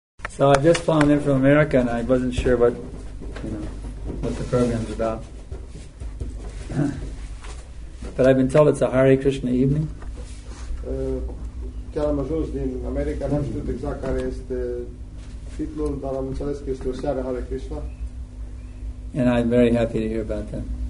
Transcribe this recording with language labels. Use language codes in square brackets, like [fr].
[en] So I just flown in from America and I wasn't sure what, you know, what the program's about. But I've been told it's a Hare Krishna evening. [ro] Chiar am ajuns din America, n-am știut exact care este titlul, dar am înțeles că este o seară Hare Krishna. [en] And I'm very happy to hear about that.